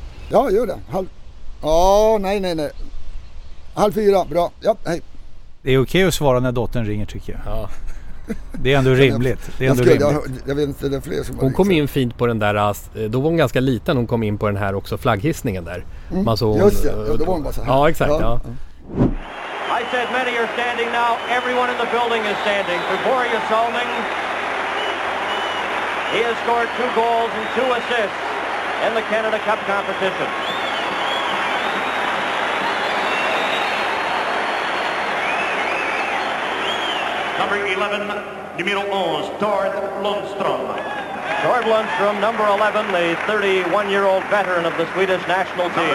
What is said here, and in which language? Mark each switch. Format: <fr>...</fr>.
<sv>Ja, gör det. Nej. Halv fyra, bra. Ja, hej. Det är okej att svara när dottern ringer tycker jag. Ja. Det är ändå rimligt. Det är ändå rimligt. Jag vet inte, det är fler som hon kom in fint på den där, då var hon ganska liten, hon kom in på den här också flagghissningen där. Mm. Man såg, just det, ja, då var hon bara så här. Ja, exakt. Ja.</sv> <en>I said many are standing now. Everyone in the building is standing. Before you Solning. He has scored two goals and two assists in the Canada Cup competition. Number 11,</en> <fr>numéro 11,</fr> <en>Tord Lundström. Tord Lundström, number 11, the 31-year-old veteran of the Swedish national team.</en>